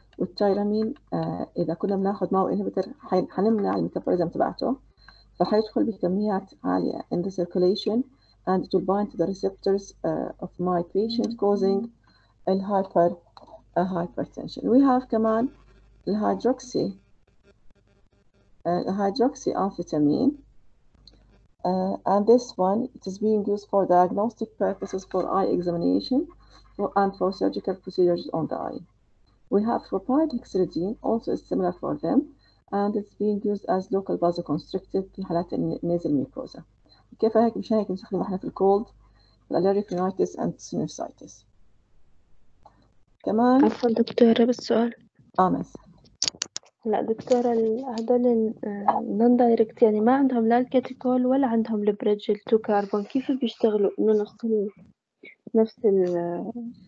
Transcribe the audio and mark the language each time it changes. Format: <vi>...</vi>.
<ar>والتيرامين إذا كنا بناخذ ماو إنهبيتور حنمنع الميتابوليزم تبعته فحيدخل بكميات عالية</ar> <en>in the circulation and to bind to the receptors of my patient causing hypertension. We have</en> <ar>كمان الهيدروكسي</ar> <en>hydroxy amphetamine. And this one, it is being used for diagnostic purposes for eye examination and for surgical procedures on the eye. We have propylhexidine, also similar for them, and it's being used as local vasoconstrictive</en> <ar>في حالات النيزل ميكوزا. كيف هيك مشان هيك بنستخدمه احنا في الكولد الاليريك رينايتس اند سينوسايتس كمان. عفوا دكتورة، بس سؤال. مثلا لا دكتورة، هذول النون دايركت يعني ما عندهم لا الكاتيكول ولا عندهم البريدج التو كاربون، كيف بيشتغلوا انه نخلي نفس ال</ar>